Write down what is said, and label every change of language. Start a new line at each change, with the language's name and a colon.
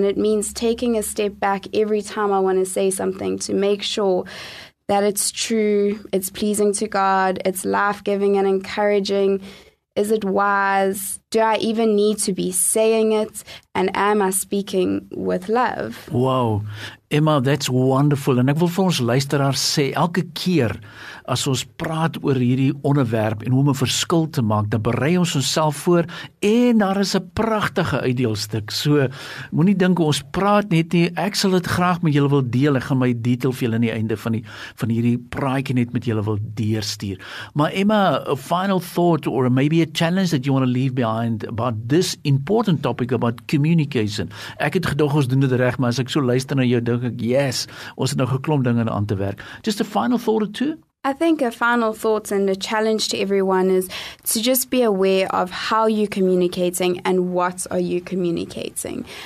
English: And it means taking a step back every time I want to say something to make sure that it's true, it's pleasing to God, it's life-giving and encouraging. Is it wise? Do I even need to be saying it? And am I speaking with love? Wow. Emma, that's wonderful.
Afrikaans: En ek wil vir ons luisteraars sê, elke keer as ons praat oor hierdie onderwerp en hoe om 'n verskil te maak, dan berei ons onsself voor en daar is 'n pragtige uitdeelstuk. So, moenie dink ons praat net nie. Ek sal dit graag met julle wil deel. Ek gaan my detail vir julle aan die einde van hierdie praatjie net met julle wil deurstuur.
English: Maar Emma, a final thought or maybe a challenge that you want to leave behind about this important topic about communication.
Afrikaans: Ek het gedog ons doen dit reg, maar as ek so luister na jou, dink ek, yes, ons het nou geklomp dinge aan te werk.
English: Just a final thought or two? I think a final thought and a challenge to everyone is to just be aware of how you're communicating and what are you communicating.